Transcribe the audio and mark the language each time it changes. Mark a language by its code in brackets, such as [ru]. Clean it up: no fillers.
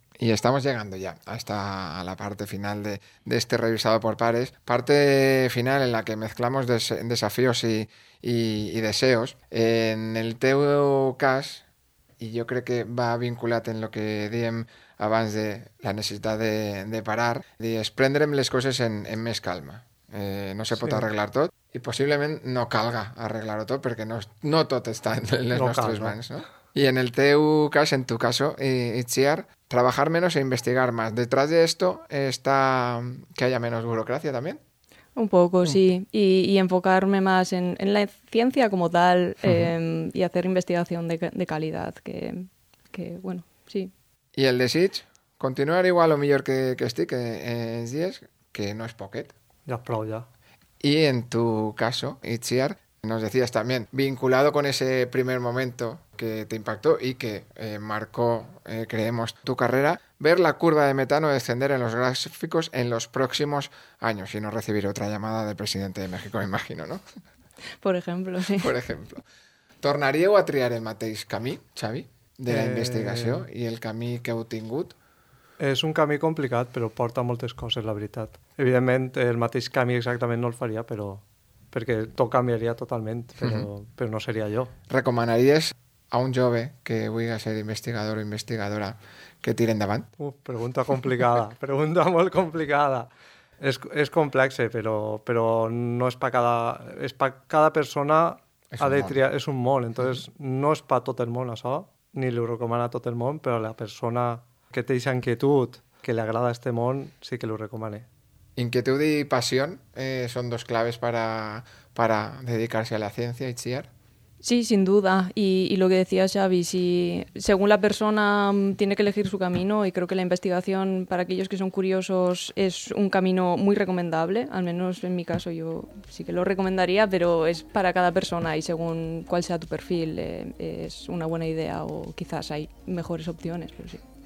[es] Y estamos llegando ya hasta la parte final de este revisado por pares. Parte final en la que mezclamos desafíos y deseos. [ca] En el teu cas, [es] y yo creo que [ca] va vinculat en lo que diem abans de la necessitat de parar, és prendre'm les coses en més calma. No se pot arreglar tot i possiblement no calga arreglar-ho tot perquè no tot està en les nostres mans. No? I en el teu cas, [es] en tu caso, [ca] Itziar, treballar menys i investigar més. [es] Detrás de esto está que haya menos burocracia también. Un poco, sí. Y enfocarme más en la ciencia como tal y hacer investigación de calidad, que bueno, sí. [ca] I el desig? Continuar igual o millor que estic els dies, que no és poquet. Ja prou, ja. [es] I en tu caso, Itziar, nos decías también, vinculado con ese primer momento que te impactó y que marcó, creemos, tu carrera, ver la curva de metano descender en los gráficos en los próximos años y no recibir otra llamada del presidente de México, me imagino, ¿no? Por ejemplo, sí. Por ejemplo. [ca] ¿Tornaríeu a triar el mateix camí, Xavi? De la investigació i el camí que heu tingut? És un camí complicat, però porta moltes coses, la veritat. Evidentment, el mateix camí exactament no el faria, però perquè tot canviaria totalment, però no seria jo. Recomanaries a un jove que vulgui ser investigador o investigadora que tire endavant? Pregunta complicada, pregunta molt complicada. És complex, però no és per cada persona ha de triar, és un món, entonces no és per tot el món això. Ni li ho recomana a tot el món, però a la persona que té aquesta inquietud, que li agrada este món, sí que li ho recomana. Inquietud i passió són dos claves para dedicar-se a la ciència, Itziar? [es] Sí, sin duda. Y lo que decía Xavi, si según la persona tiene que elegir su camino, y creo que la investigación para aquellos que son curiosos es un camino muy recomendable, al menos en mi caso yo sí que lo recomendaría, pero es para cada persona y según cuál sea tu perfil es una buena idea o quizás hay mejores opciones, pero sí.